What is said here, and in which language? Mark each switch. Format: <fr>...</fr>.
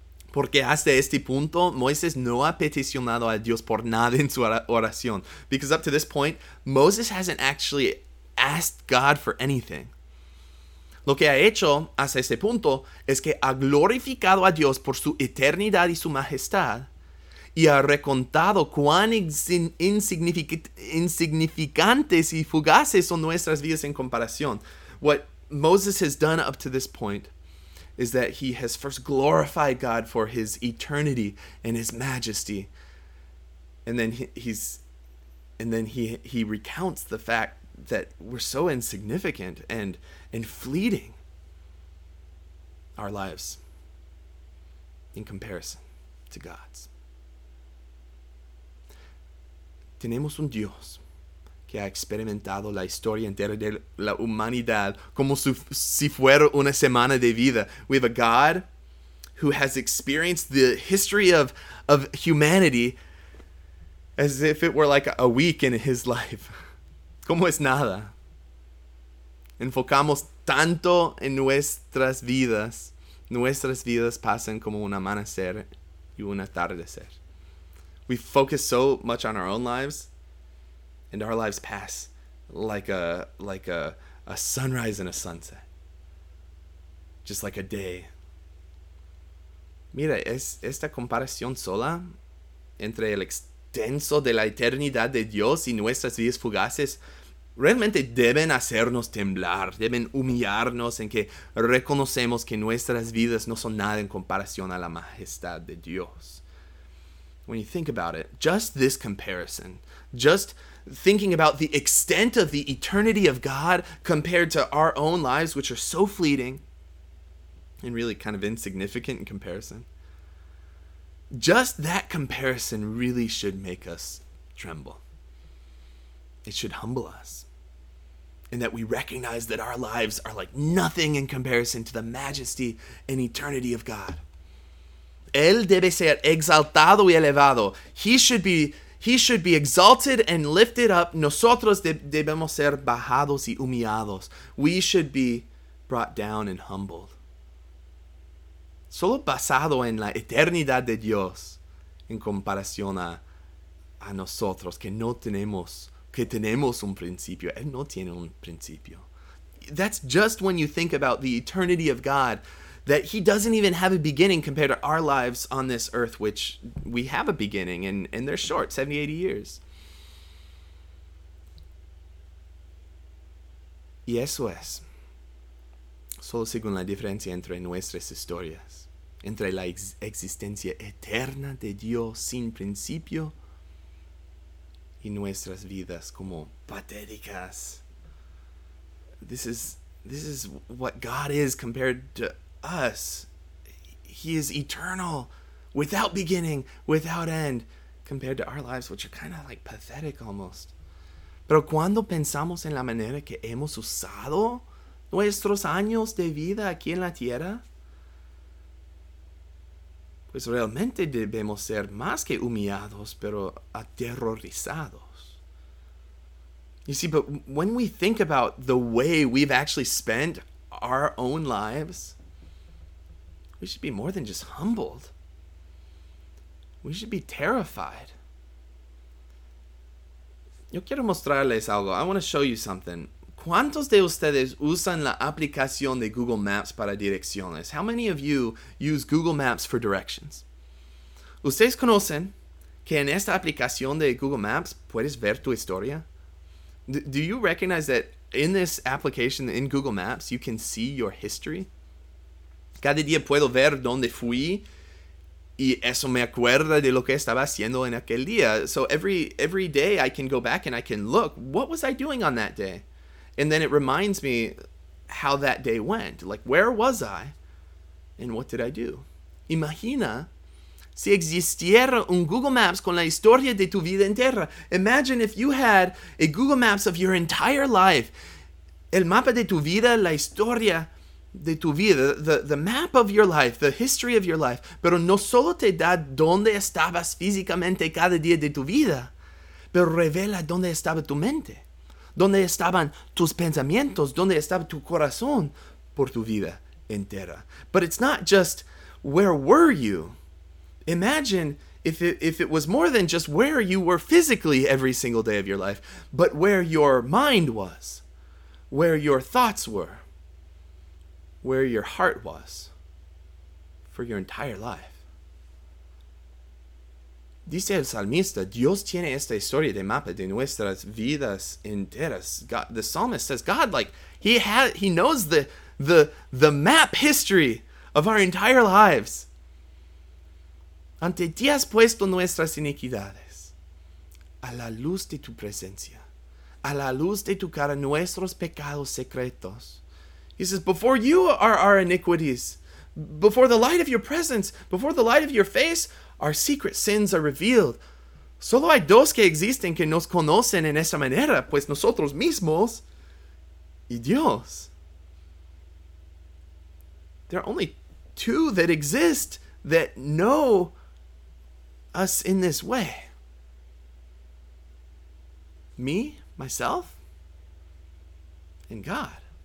<es>Porque hasta este punto, Moisés no ha peticionado a Dios por nada en su oración.</es> <en>Because up to this point, Moses hasn't actually asked God for anything.</en> <es>Lo que ha hecho hasta ese punto es que ha glorificado a Dios por su eternidad y su majestad, y ha recontado cuán insignificantes y fugaces son nuestras vidas en comparación.</es> <en>What Moses has done up to this point is that he has first glorified God for his eternity and his majesty. And then he recounts the fact that we're so insignificant and fleeting, our lives, in comparison to God's.</en> <es>Tenemos un Dios que ha experimentado la historia entera de la humanidad como si fuera una semana de vida.</es> <en>We have a God who has experienced the history of humanity as if it were like a week in his life.</en> <es>¿Cómo es nada? Enfocamos tanto en nuestras vidas. Nuestras vidas pasan como un amanecer y un atardecer.</es> <en>We focus so much on our own lives, and our lives pass like a sunrise and a sunset. Just like a day.</en> <es>Mira, es esta comparación sola entre el extenso de la eternidad de Dios y nuestras vidas fugaces realmente deben hacernos temblar, deben humillarnos en que reconocemos que nuestras vidas no son nada en comparación a la majestad de Dios.</es> <en>When you think about it, just this comparison, just thinking about the extent of the eternity of God compared to our own lives, which are so fleeting and really kind of insignificant in comparison, just that comparison really should make us tremble. It should humble us, and that we recognize that our lives are like nothing in comparison to the majesty and eternity of God.</en> <es>Él debe ser exaltado y elevado.</es> <en>He should be exalted and lifted up.</en> <es>Nosotros debemos ser bajados y humillados.</es> <en>We should be brought down and humbled.</en> <es>Solo basado en la eternidad de Dios en comparación a nosotros, que tenemos un principio. Él no tiene un principio.</es> <en>That's just when you think about the eternity of God, that he doesn't even have a beginning compared to our lives on this earth, which we have a beginning, and they're short, 70, 80 years.</en> <es>Y eso es. Solo según la diferencia entre nuestras historias, entre la existencia eterna de Dios sin principio y nuestras vidas como patéticas.</es> <en>This is what God is compared to us. He is eternal, without beginning, without end, compared to our lives, which are kind of like pathetic almost.</en> <es>Pero cuando pensamos en la manera que hemos usado nuestros años de vida aquí en la tierra, pues realmente debemos ser más que humillados, pero aterrorizados.</es> <en>You see, but when we think about the way we've actually spent our own lives, we should be more than just humbled. We should be terrified.</en> <es>Yo quiero mostrarles algo.</es> <en>I want to show you something.</en> <es>¿Cuántos de ustedes usan la aplicación de Google Maps para direcciones?</es> <en>How many of you use Google Maps for directions?</en> <es>¿Ustedes conocen que en esta aplicación de Google Maps puedes ver tu historia?</es> <en>Do you recognize that in this application, in Google Maps, you can see your history?</en> <es>Cada día puedo ver dónde fui y eso me acuerda de lo que estaba haciendo en aquel día.</es> <en>So every day I can go back and I can look, what was I doing on that day? And then it reminds me how that day went. Like, where was I and what did I do?</en> <es>Imagina si existiera un Google Maps con la historia de tu vida entera.</es> <en>Imagine if you had a Google Maps of your entire life.</en> <es>El mapa de tu vida, la historia de tu vida,</es> <en>the map of your life, the history of your life.</en> <es>Pero no solo te da dónde estabas físicamente cada día de tu vida, pero revela dónde estaba tu mente, dónde estaban tus pensamientos, dónde estaba tu corazón por tu vida entera.</es> <en>But it's not just where were you. Imagine if it was more than just where you were physically every single day of your life, but where your mind was, where your thoughts were, where your heart was for your entire life.</en> <es>Dice el salmista, Dios tiene esta historia de mapa de nuestras vidas enteras.</es> <en>God, the psalmist says, God, like, he knows the map history of our entire lives.</en> <es>Ante ti has puesto nuestras iniquidades. A la luz de tu presencia. A la luz de tu cara, nuestros pecados secretos.</es> <en>He says, before you are our iniquities. Before the light of your presence. Before the light of your face, our secret sins are revealed.</en> <es>Solo hay dos que existen que nos conocen en esa manera, pues nosotros mismos y Dios.</es> <en>There are only two that exist that know us in this way. Me, myself, and God.</en>